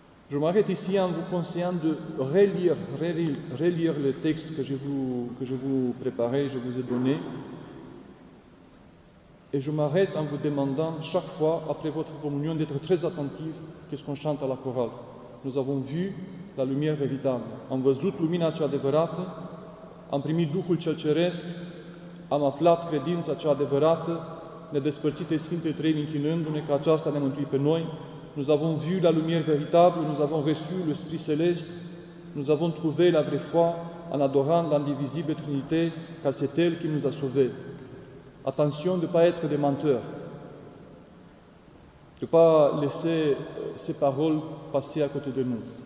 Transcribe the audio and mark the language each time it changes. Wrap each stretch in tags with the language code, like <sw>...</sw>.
<fr>Je m'arrête ici en vous conseillant de relire les textes que je vous ai donnés. Et je m'arrête en vous demandant chaque fois, après votre communion, d'être très attentif à ce qu'on chante à la chorale. Nous avons vu la lumière véritable.</fr> <ro>Am văzut lumina cea adevărată, am primit Duhul cel ceresc, am aflat credința cea adevărată, nedespărțite Sfinte Treimi închinându-ne că aceasta ne mântui pe noi.</ro> <fr>Nous avons vu la lumière véritable, nous avons reçu l'Esprit céleste, nous avons trouvé la vraie foi en adorant l'indivisible Trinité, car c'est elle qui nous a sauvés. Attention de ne pas être des menteurs, de ne pas laisser ces paroles passer à côté de nous.</fr>